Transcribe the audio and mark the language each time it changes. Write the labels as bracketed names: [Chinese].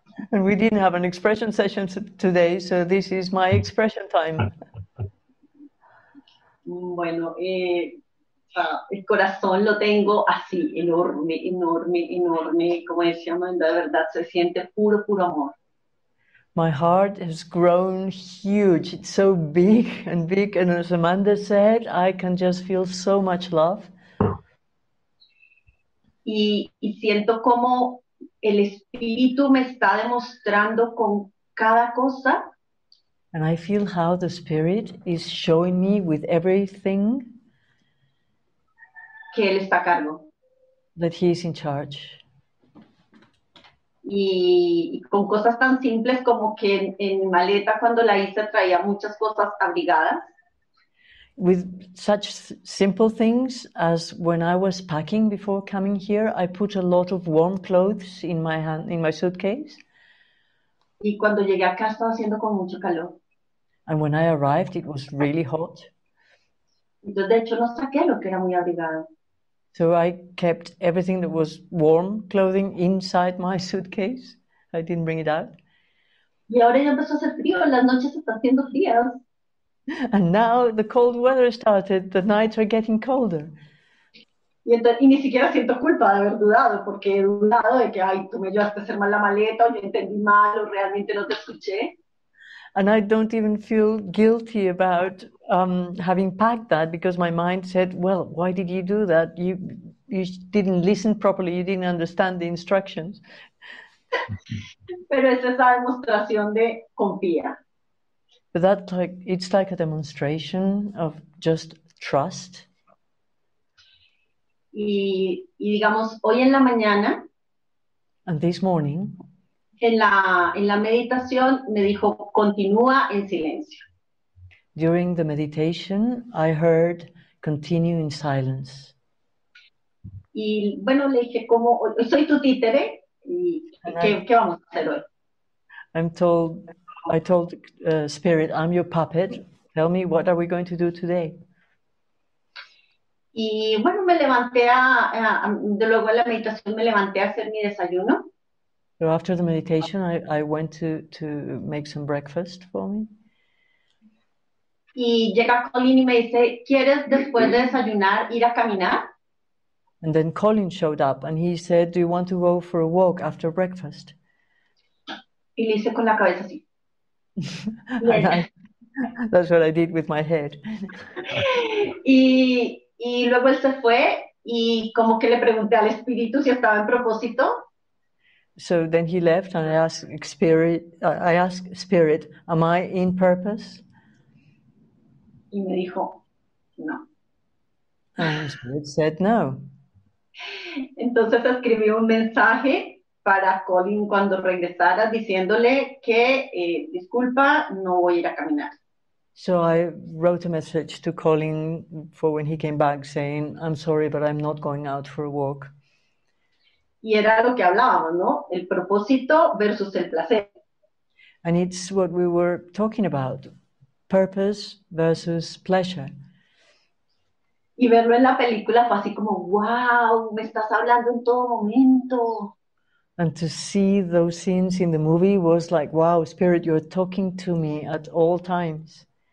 [English] And we didn't have an expression session today, so this is my expression time. [Spanish] Bueno, el corazón lo tengo así, enorme, enorme, enorme. Como decía Amanda, de verdad, se siente puro, puro amor. [English] My heart has grown huge. It's so big and big. And as Amanda said, I can just feel so much love. [Spanish] Y siento como el espíritu me está demostrando con cada cosa. [English] And I feel how the spirit is showing me with everything [Spanish] que él está a cargo. [English] That he is in charge. [Spanish] Y con cosas tan simples como que en mi maleta cuando la hice traía muchas cosas abrigadas. [English] With such simple things as when I was packing before coming here, I put a lot of warm clothes in my suitcase. [Spanish] Y cuando llegué acá estaba haciendo con mucho calor. [English] And when I arrived, it was really hot. [Spanish] Entonces, de hecho, no saqué lo que era muy abrigado. [English] So I kept everything that was warm clothing inside my suitcase. I didn't bring it out. [Spanish] Y ahora ya empezó a hacer frío, las noches están haciendo frías. [English] And now the cold weather started, the nights are getting colder. [Spanish] Y ni siquiera siento culpa de haber dudado, porque he dudado de que, ay, tú me ayudaste a hacer mal la maleta, o yo entendí mal, o realmente no te escuché. [English] And I don't even feel guilty about having packed that because my mind said, well, why did you do that? You didn't listen properly. You didn't understand the instructions. [Spanish] Pero es esa demostración de confía. [English] But that's like, it's like a demonstration of just trust. [Spanish] Y digamos, hoy en la mañana. [English] And this morning. [Spanish] En la meditación me dijo, continúa en silencio. [English] During the meditation, I heard, continue in silence. [Spanish] Y bueno, le dije, como, soy tu títere, y ¿qué vamos a hacer hoy? [English] I told Spirit, I'm your puppet, tell me, what are we going to do today? [Spanish] Y bueno, me levanté de luego de la meditación, me levanté a hacer mi desayuno. [English] So after the meditation, I went to make some breakfast for me. [Spanish] Y llega Colin y me dice, ¿quieres después de desayunar ir a caminar? [English] And then Colin showed up and he said, do you want to go for a walk after breakfast? [Spanish] Y le hice con la cabeza así. [English] That's what I did with my head. [Spanish] y luego él se fue y como que le pregunté al espíritu si estaba en propósito. [English] So then he left and I asked Spirit, am I in purpose? [Spanish] Y me dijo, no. [English] And Spirit said no. [Spanish] Entonces escribí un mensaje para Colin cuando regresara diciéndole que, disculpa, no voy a ir a caminar. [English] So I wrote a message to Colin for when he came back saying, I'm sorry, but I'm not going out for a walk. [Spanish] Y era lo que hablábamos, ¿no? El propósito versus el placer. [English] And it's what we were talking about, purpose versus pleasure. [Spanish] Y verlo en la película fue así como, wow, me estás hablando en todo momento. [English] And to see those scenes in the movie was like, wow, Spirit, you're talking to me at all times.